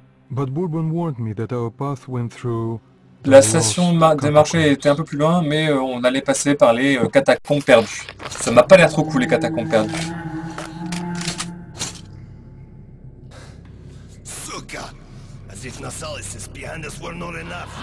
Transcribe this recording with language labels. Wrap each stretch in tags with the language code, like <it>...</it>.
<en>But Bourbon warned me that our path went through.</en> <fr>La station des marchés était un peu plus loin, mais on allait passer par les catacombes perdues. Ça m'a pas l'air trop cool, les catacombes perdues.</fr> <ru>Suka!</ru> <en>As if Nasalis is behind us were not enough.</en>